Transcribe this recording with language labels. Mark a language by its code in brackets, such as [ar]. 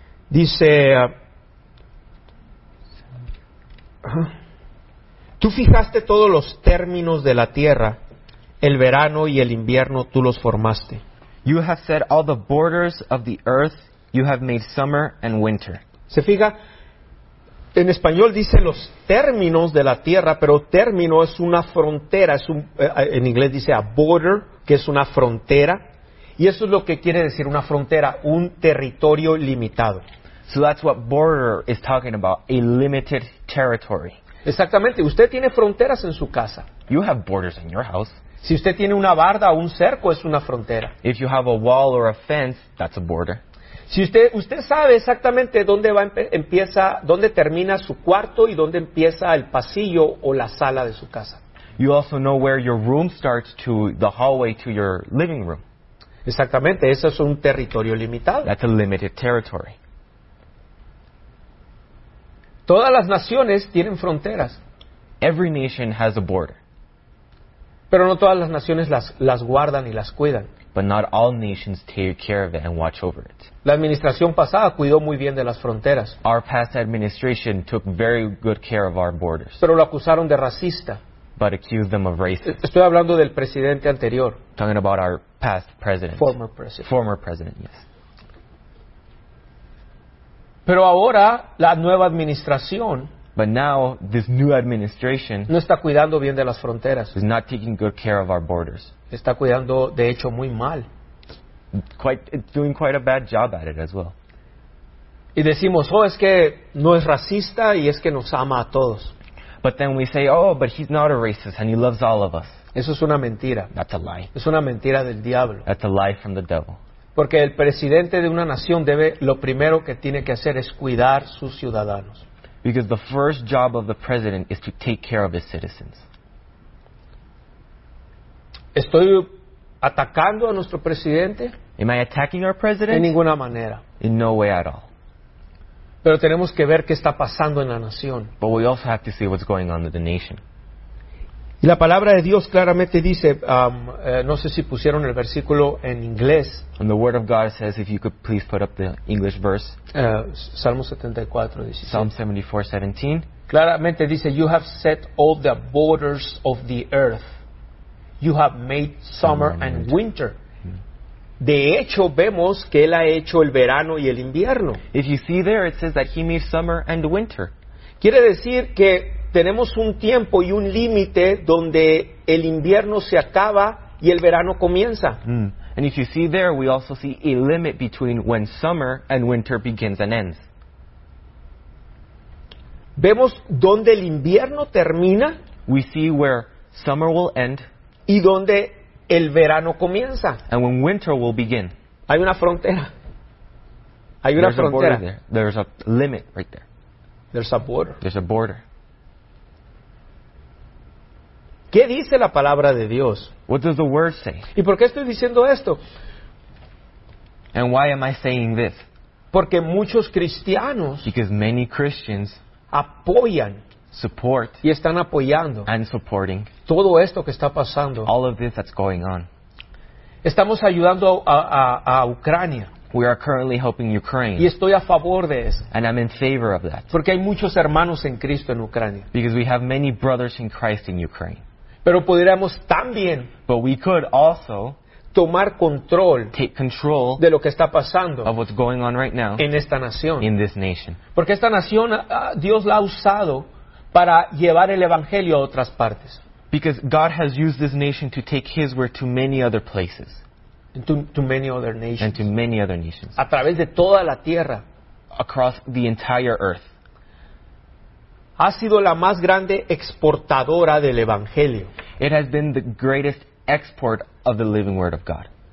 [es] Dice, tú fijaste todos los términos de la tierra, el verano y el invierno, tú los formaste. [en] You have set all the borders of the earth, you have made summer and winter. [es] Se fija, en español dice los términos de la tierra, pero término es una frontera, en inglés dice [en] a border, [es] que es una frontera, y eso es lo que quiere decir una frontera, un territorio limitado. [en] So that's what border is talking about, a limited territory. [es] Exactamente. Usted tiene fronteras en su casa. [en] You have borders in your house. [es] Si usted tiene una barda o un cerco, es una frontera. [en] If you have a wall or a fence, that's a border. [es] Si usted sabe exactamente dónde termina su cuarto y dónde empieza el pasillo o la sala de su casa. [en] You also know where your room starts to the hallway to your living room. [es] Exactamente. Eso es un territorio limitado. [en] That's a limited territory. [es] Todas las naciones tienen fronteras. [en] Every nation has a border. [es] Pero no todas las naciones las guardan y las cuidan. [en] But not all nations take care of it and watch over it. [es] La administración pasada cuidó muy bien de las fronteras. [en] Our past administration took very good care of our borders. [es] Pero lo acusaron de racista. [en] But accused them of racism. [es] Estoy hablando del presidente anterior. [en] Talking about our past president. Former president. Former president, yes. [es] Pero ahora la nueva administración, [en] but now, this new administration, [es] no está cuidando bien de las fronteras. [en] Is not taking good care of our borders. [es] Está cuidando de hecho muy mal. [en] Doing quite a bad job at it as well. [es] Y decimos, oh, es que no es racista y es que nos ama a todos. [en] But then we say, oh, but he's not a racist and he loves all of us. [es] Eso es una mentira. [en] That's a lie. [es] Es una mentira del diablo. [en] That's a lie from the devil. [es] Porque el presidente de una nación debe, lo primero que tiene que hacer es cuidar sus ciudadanos. [en] Because the first job of the president is to take care of his citizens. [es] ¿Estoy atacando a nuestro presidente? [en] Am I attacking our president? [es] En ninguna manera. [en] In no way at all. [es] Pero tenemos que ver qué está pasando en la nación. [en] But we also have to see what's going on in the nation. [es] Y la palabra de Dios claramente dice, no sé si pusieron el versículo en inglés. [en] And the word of God says, if you could please put up the English verse. Psalm 74:17. [es] Claramente dice, [en] you have set all the borders of the earth. You have made summer and winter. [es] De hecho, vemos que Él ha hecho el verano y el invierno. [en] If you see there, it says that He made summer and winter. [es] Quiere decir que tenemos un tiempo y un límite donde el invierno se acaba y el verano comienza. [en] And if you see there, we also see a limit between when summer and winter begins and ends. [es] Vemos donde el invierno termina. [en] We see where summer will end. [es] Y donde el verano comienza. [en] And when winter will begin. [es] Hay una frontera. Hay una [en] frontera. There's a limit right there. There's a border. There's a border. [es] ¿Qué dice la palabra de Dios? [en] What does the word say? [es] ¿Y por qué estoy diciendo esto? [en] And why am I saying this? [es] Porque muchos cristianos. [en] Because many Christians. [es] Apoyan. [en] Support. [es] Y están apoyando. [en] And supporting. [es] Todo esto que está pasando. [en] All of this that's going on. [es] Estamos ayudando a Ucrania. [en] We are currently helping Ukraine. [es] Y estoy a favor de eso. [en] And I'm in favor of that. [es] Porque hay muchos hermanos en Cristo en Ucrania. [en] Because we have many brothers in Christ in Ukraine. [es] Pero podríamos también. [en] But we could also. [es] Tomar control. [en] Take control. [es] De lo que está pasando. [en] Of what's going on right now. [es] En esta nación. [en] In this nation. [es] Porque esta nación, Dios la ha usado. Para llevar el evangelio a otras partes. [en] Because God has used this nation to take His word to many other places. And to many other nations. And to many other nations. [es] A través de toda la tierra. [en] Across the entire earth. [es] Ha sido la más grande exportadora del evangelio. [en] It has been the greatest export of the living word of God.